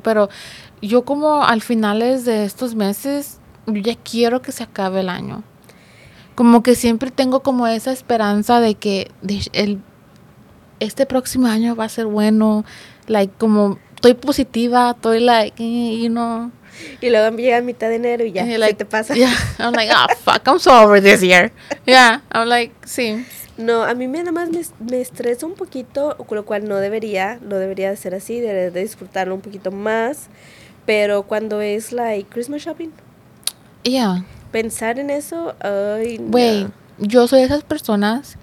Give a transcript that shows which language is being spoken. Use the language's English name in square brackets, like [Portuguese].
[Spanish] Pero yo como al finales de estos meses, yo ya quiero que se acabe el año. Como que siempre tengo como esa esperanza de que este próximo año va a ser bueno. Like, como estoy positiva, estoy like, y no. Y luego llega a mitad de enero y ya, ¿qué [English] like, [Spanish] te pasa? [English] Yeah, I'm like, oh, fuck, I'm so over this year. Yeah, I'm like, [Spanish] sí. No, a mí nada más me estresa un poquito, con lo cual no debería de ser así, de disfrutarlo un poquito más. Pero cuando es like [English] Christmas shopping. Yeah. [Spanish] Pensar en eso, ay, no. Güey, yo soy de esas personas.